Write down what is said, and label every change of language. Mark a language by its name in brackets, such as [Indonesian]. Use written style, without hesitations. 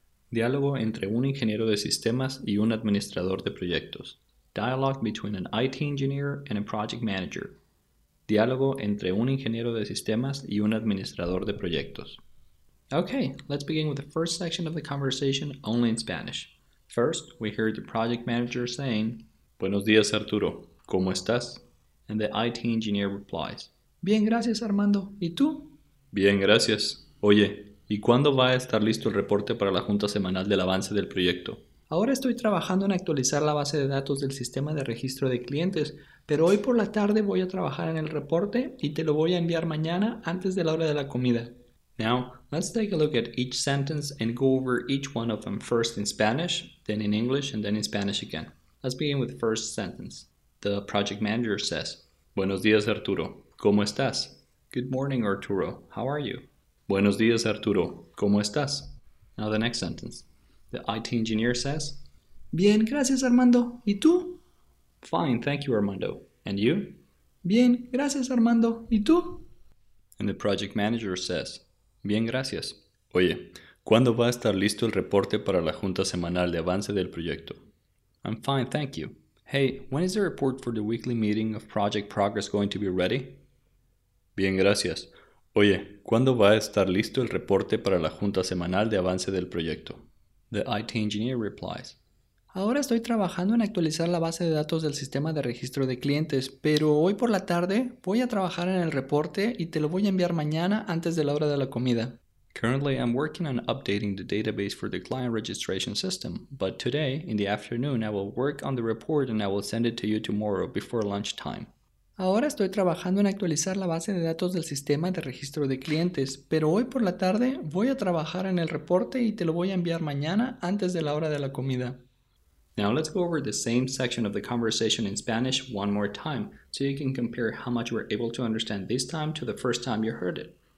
[Spanish] Diálogo entre un ingeniero de sistemas y un administrador de proyectos. [English] Dialogue between an IT engineer and a project manager. [Spanish] Diálogo entre un ingeniero de sistemas y un administrador de proyectos. [English] Okay, let's begin with the first section of the conversation, only in Spanish. First, we hear the project manager saying, [Spanish] Buenos días, Arturo. ¿Cómo estás? [English] And the IT engineer replies, [Spanish] Bien, gracias, Armando. ¿Y tú? Bien, gracias. Oye, ¿y cuándo va a estar listo el reporte para la junta semanal del avance del proyecto? Ahora estoy trabajando en actualizar la base de datos del sistema de registro de clientes, pero hoy por la tarde voy a trabajar en el reporte y te lo voy a enviar mañana antes de la hora de la comida. [English] Now, let's take a look at each sentence and go over each one of them first in Spanish, then in English, and then in Spanish again. Let's begin with the first sentence. The project manager says, [Spanish] Buenos días, Arturo. ¿Cómo estás? [English] Good morning, Arturo. How are you? [Spanish] Buenos días, Arturo. ¿Cómo estás? [English] Now the next sentence. The IT engineer says, [Spanish] Bien, gracias, Armando. ¿Y tú? [English] Fine, thank you, Armando. And you? [Spanish] Bien, gracias, Armando. ¿Y tú? [English] And the project manager says, [Spanish] Bien, gracias. Oye, ¿cuándo va a estar listo el reporte para la junta semanal de avance del proyecto? [English] I'm fine, thank you. Hey, when is the report for the weekly meeting of project progress going to be ready? [Spanish] Bien, gracias. Oye, ¿cuándo va a estar listo el reporte para la junta semanal de avance del proyecto? [English] The IT engineer replies, [Spanish] Ahora estoy trabajando en actualizar la base de datos del sistema de registro de clientes, pero hoy por la tarde voy a trabajar en el reporte y te lo voy a enviar mañana antes de la hora de la comida. [English] Currently, I'm working on updating the database for the client registration system, but today, in the afternoon, I will work on the report and I will send it to you tomorrow before lunchtime. [Spanish] Ahora estoy trabajando en actualizar la base de datos del sistema de registro de clientes, pero hoy por la tarde voy a trabajar en el reporte y te lo voy a enviar mañana antes de la hora de la comida. [English] Now let's go over the same section of the conversation in Spanish one more time, so you can compare how much you were able to understand this time to the first time you heard it.